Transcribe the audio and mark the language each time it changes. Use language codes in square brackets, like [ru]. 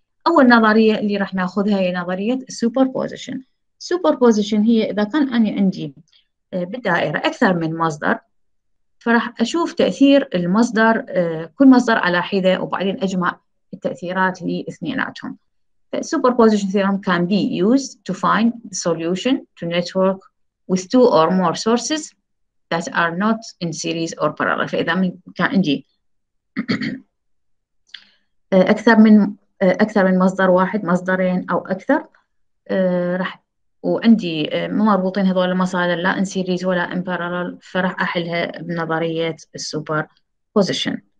[ar] اول نظريه اللي راح ناخذها هي نظريه السوبر بوزيشن. سوبر بوزيشن هي إذا كان أنا عندي بالدائرة أكثر من مصدر، فراح أشوف تأثير المصدر، كل مصدر على حدة، وبعدين أجمع التأثيرات لإثنيناتهم. [en] Superposition theorem can be used to find the solution to network with two or more sources that are not in series or parallel. [ar] فإذا كان عندي أكثر من مصدر واحد، مصدرين أو أكثر، راح وعندي ما مربوطين هذول المصادر لا ان سيريز ولا ان بارالل، فراح احلها بنظريه السوبر بوزيشن.